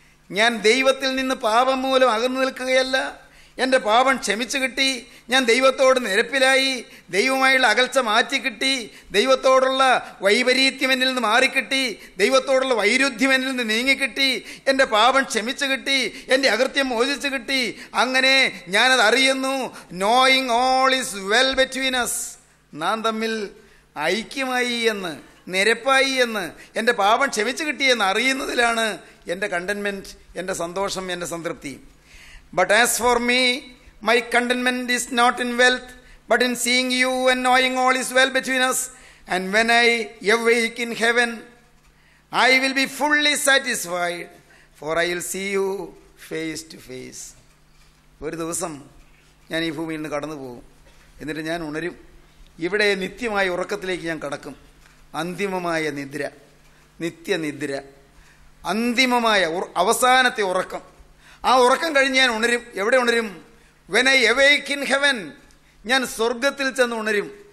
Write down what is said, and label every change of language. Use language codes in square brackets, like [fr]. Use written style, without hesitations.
[ml] ഞാൻ ദൈവത്തിൽ നിന്ന് പാപം മൂലം അകന്നു നിൽക്കുകയല്ല, എൻ്റെ പാപം ക്ഷമിച്ചു കിട്ടി, ഞാൻ ദൈവത്തോട് നിരപ്പിലായി, ദൈവമായുള്ള അകൽച്ച മാറ്റിക്കിട്ടി, ദൈവത്തോടുള്ള വൈപരീത്യം എന്നിൽ നിന്ന് മാറിക്കിട്ടി, ദൈവത്തോടുള്ള വൈരുദ്ധ്യം എന്നിൽ നിന്ന് നീങ്ങിക്കിട്ടി, എൻ്റെ പാപം ക്ഷമിച്ചു കിട്ടി, എൻ്റെ അകൃത്യം മോചിച്ചു കിട്ടി. അങ്ങനെ ഞാനത് അറിയുന്നു, [en] knowing all is well between us, [ml] നാൻ തമ്മിൽ ഐക്യമായി എന്ന്, നിരപ്പായി എന്ന്, എൻ്റെ പാപം ക്ഷമിച്ചു കിട്ടി എന്ന് അറിയുന്നതിലാണ് എൻ്റെ കണ്ടെൻമെൻറ്റ്, എൻ്റെ സന്തോഷം, എൻ്റെ സംതൃപ്തി. [en] But as for me, my contentment is not in wealth, but in seeing you and knowing all is well between us. And when I awake in heaven, I will be fully satisfied, for I will see you face to face. [ml] ഒരു ദിവസം ഞാൻ ഈ ഭൂമിയിൽ നിന്ന് കടന്നു പോകും, എന്നിട്ട് ഞാൻ ഉണരും, ഇവിടെ നിത്യമായ ഉറക്കത്തിലേക്ക് ഞാൻ കടക്കും. അന്തിമമായ നിദ്ര, നിത്യനിദ്ര, അന്തിമമായ അവസാനത്തെ ഉറക്കം. ആ ഉറക്കം കഴിഞ്ഞ് ഞാൻ ഉണരും. എവിടെ ഉണരും? [en] when I awake in heaven, [ml] ഞാൻ സ്വർഗത്തിൽ ചെന്ന് ഉണരും.